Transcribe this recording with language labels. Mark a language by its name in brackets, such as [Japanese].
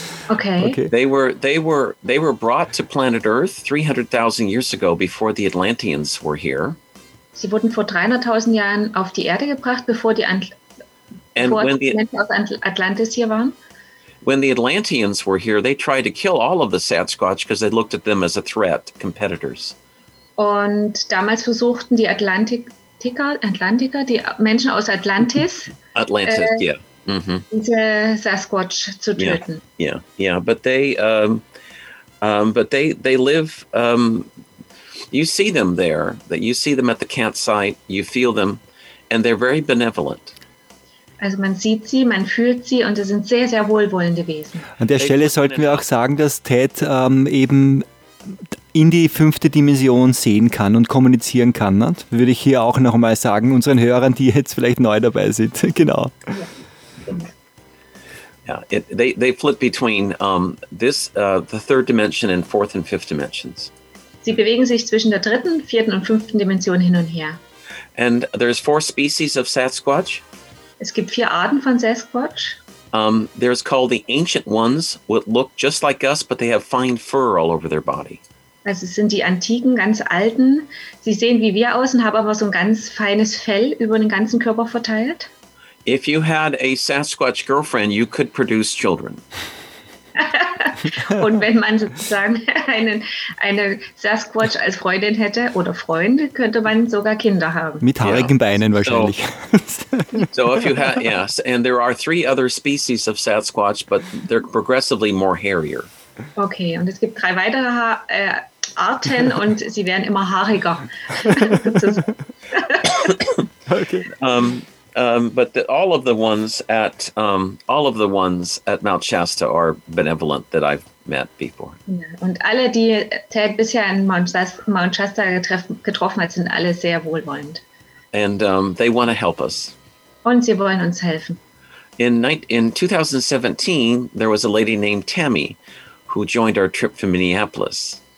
[English] They were brought to planet Earth 300,000 years ago before the Atlanteans were here. [German] Sie wurden vor 300,000 Jahren auf die Erde gebracht, bevor die Atlantis hier waren. [English] When the Atlanteans were here, they tried to kill all of the Sasquatch because they looked at them as a threat, competitors. [German] Und damals versuchten die Atlantiker, die Menschen aus Atlantis. [English] Atlantis, yeah. [German] Sasquatch zu töten. [English] Yeah. But they live. You see them there. That you see them at the campsite. You feel them, and they're very benevolent. [German] Also man sieht sie, man fühlt sie, und sie sind sehr, sehr wohlwollende Wesen. An der Stelle sollten wir auch sagen, dass Ted eben in die fünfte Dimension sehen kann und kommunizieren kann. Ne? Würde ich hier auch noch mal sagen unseren Hörern, die jetzt vielleicht neu dabei sind. Genau. [English] Yeah, they flip between the third dimension and fourth and fifth dimensions. [German] Sie bewegen sich zwischen der dritten, vierten und fünften Dimension hin und her. [English] And there's four species of Sasquatch. [German] Es gibt vier Arten von Sasquatch. [English] There's called the ancient ones, which look just like us, but they have fine fur all over their body. [German] Also es sind die antiken, ganz alten. Sie sehen wie wir aus und haben aber so ein ganz feines Fell über den ganzen Körper verteilt. [English] If you had a Sasquatch girlfriend, you could produce children. [German] Und wenn man sozusagen eine Sasquatch als Freundin hätte oder Freund, könnte man sogar Kinder haben. Mit haarigen Beinen wahrscheinlich. [English] So if you had, yes, and there are three other species of Sasquatch, but they're progressively more hairier. [German] Okay, und es gibt drei weitere Arten und sie werden immer haariger. [English] But all of the ones at Mount Shasta are benevolent that I've met before. [German] Und alle, die Ted bisher in Mount Shasta getroffen hat, sind alle sehr wohlwollend. [English] And they want to help us. [German] Und sie wollen uns helfen. [English] In 2017, there was a lady named Tammy who joined our trip from Minneapolis.